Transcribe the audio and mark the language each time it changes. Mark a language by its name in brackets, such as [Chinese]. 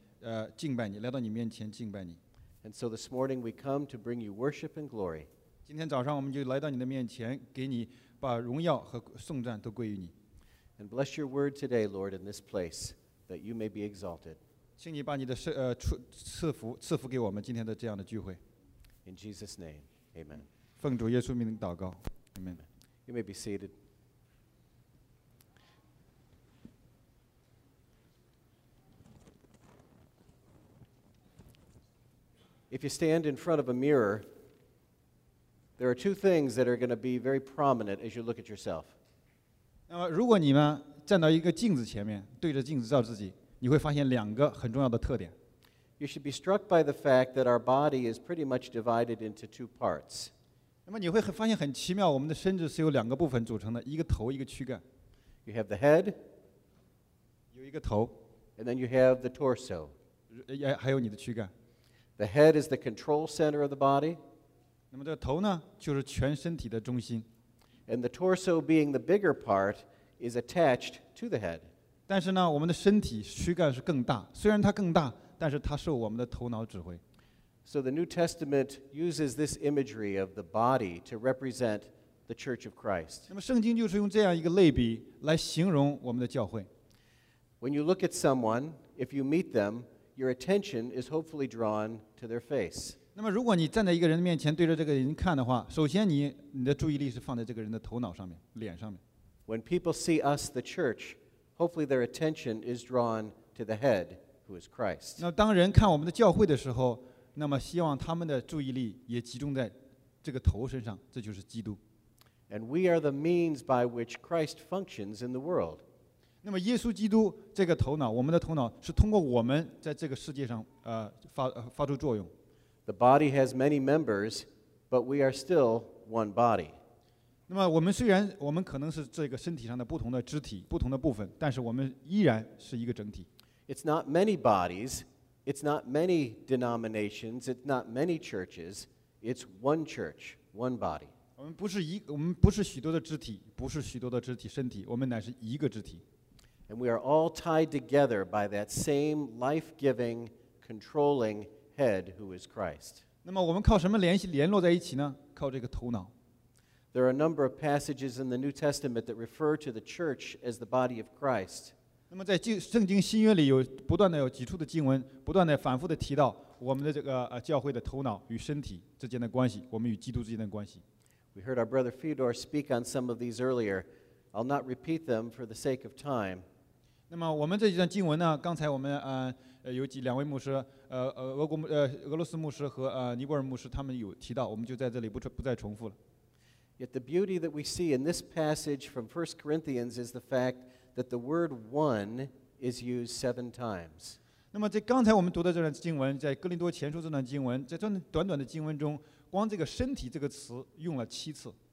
[Chinese] 主，你告诉我们万国万民都要来到你，敬拜你，来到你面前敬拜你。 [English] And so this morning we come to bring you worship and glory. [Chinese] 今天早上我们就来到你的面前，给你把荣耀和颂赞都归于你。 [English] And bless your word today, Lord, in this place, that you may be exalted. [Chinese] 请你把你的赐福给我们今天的这样的聚会。 [English] In Jesus' name, amen. [Chinese] 奉主耶稣名祷告, amen. [English] You may be seated. If you stand in front of a mirror, there are two things that are going to be very prominent as you look at yourself. [Chinese] 那么如果你们站到一个镜子前面，对着镜子照自己，你会发现两个很重要的特点。 [English] You should be struck by the fact that our body is pretty much divided into two parts. [Chinese] 那么你会发现很奇妙，我们的身子是由两个部分组成的，一个头，一个躯干。 [English] You have the head. [Chinese] 有一个头。 [English] And then you have the torso. [Chinese] 还有你的躯干。 [English] The head is the control center of the body. [Chinese] 那么这个头呢，就是全身体的中心。 [English] And the torso being the bigger part is attached to the head. [Chinese] 但是呢，我们的身体躯干是更大，虽然它更大，但是它受我们的头脑指挥。 [English] So the New Testament uses this imagery of the body to represent the Church of Christ. [Chinese] 那么圣经就是用这样一个类比来形容我们的教会。 [English] When you look at someone, if you meet them, your attention is hopefully drawn to their face. [Chinese] 那么如果你站在一个人面前对着这个人看的话，首先你的注意力是放在这个人的头脑上面，脸上面。 [English] When people see us, the church, hopefully their attention is drawn to the head, who is Christ. [Chinese] 那当人看我们的教会的时候，那么希望他们的注意力也集中在这个头身上，这就是基督。 [English] And we are the means by which Christ functions in the world. [Chinese] 那么耶稣基督这个头脑，我们的头脑是通过我们在这个世界上发出作用。 [English] The body has many members, but we are still one body. [Chinese] 那么我们虽然我们可能是这个身体上的不同的肢体、不同的部分，但是我们依然是一个整体。 [English] It's not many bodies, it's not many denominations, it's not many churches, it's one church, one body. [Chinese] 我们不是许多的肢体，不是许多的肢体身体，我们乃是一个肢体。 [English] And we are all tied together by that same life-giving, controlling head who is Christ. [Chinese] 那么我们靠什么联系联络在一起呢？靠这个头脑。 [English] There are a number of passages in the New Testament that refer to the church as the body of Christ. [Chinese] 那么在圣经新约里有不断的有几处的经文，不断的反复的提到我们的这个教会的头脑与身体之间的关系，我们与基督之间的关系。 [English] We heard our brother Fyodor speak on some of these earlier. I'll not repeat them for the sake of time. [Chinese] 那么我们这一段经文呢，刚才我们有几两位牧师，俄罗斯牧师和尼泊尔牧师，他们有提到，我们就在这里不再重复了。 [English] Yet the beauty that we see in this passage from 1 Corinthians is the fact that the word one is used seven times. [Chinese] 那么在刚才我们读的这段经文，在哥林多前书这段经文，在这短短的经文中，光这个身体这个词用了七次。